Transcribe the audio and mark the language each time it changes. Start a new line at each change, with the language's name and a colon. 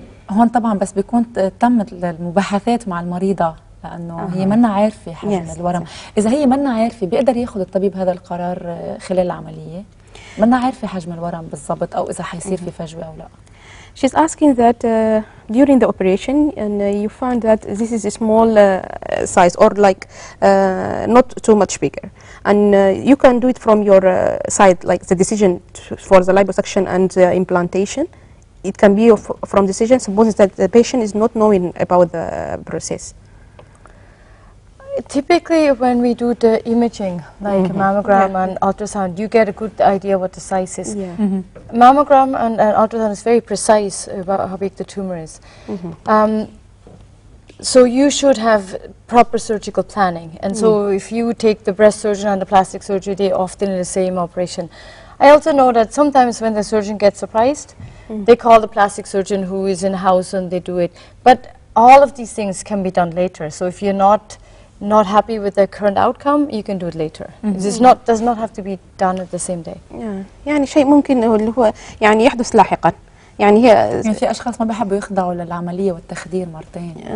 Arabic: هون طبعا بس بيكون تم المباحثات مع المريضة لأنه هي منا عارفة حجم الورم إذا هي منا عارفة بيقدر يأخذ الطبيب هذا القرار خلال العملية منا عارفة حجم الورم بالضبط أو إذا حيصير في فجوة أو لا
English: She's asking that during the operation, and you found that this is a small size or like not too much bigger, and you can do it from your side, like the decision for the liposuction and implantation. It can be from decision. Suppose that the patient is not knowing about the process. Typically, when we do the imaging, like mammogram and ultrasound, you get a good idea what the size is. Yeah. Mammogram and ultrasound is very precise about how big the tumor is. So you should have proper surgical planning. And so if you take the breast surgeon and the plastic surgeon, they're often in the same operation. I also know that sometimes when the surgeon gets surprised, they call the plastic surgeon who is in-house and they do it. But all of these things can be done later. So if you're not happy with the current outcome, you can do it later. This does not have to be done at the same day.
Arabic: يعني شيء ممكن اللي هو يعني يحدث لاحقا. يعني هي يعني في أشخاص ما بيحبوا يخضعوا للعملية والتخدير مرتين.